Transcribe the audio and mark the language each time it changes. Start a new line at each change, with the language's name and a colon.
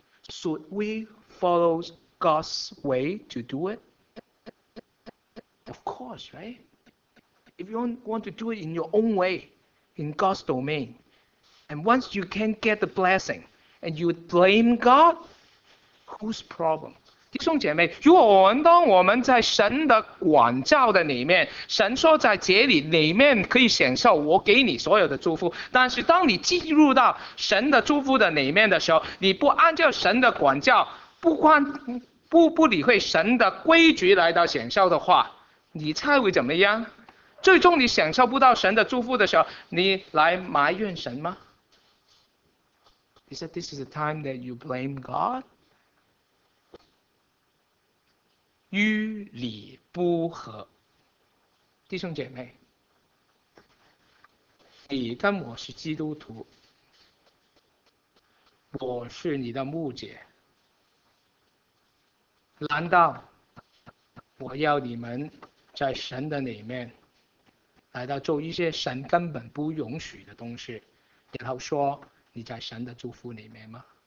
English: Should we follow God's way to do it? Of course, right? If you want to do it in your own way, in God's domain, and once you can't get the blessing, and you blame God, whose problem?
Chinese: 弟兄姐妹，如果我们当我们在神的管教的里面，神说在这里里面可以享受我给你所有的祝福，但是当你进入到神的祝福的里面的时候，你不按照神的管教，不理会神的规矩来到享受的话，你猜会怎么样？最终你享受不到神的祝福的时候，你来埋怨神吗？
English: He said, this is the time that you blame God?
Chinese: 与理不合，弟兄姐妹，你跟我是基督徒，我是你的牧者，难道我要你们在神的里面来到做一些神根本不允许的东西，然后说你在神的祝福里面吗？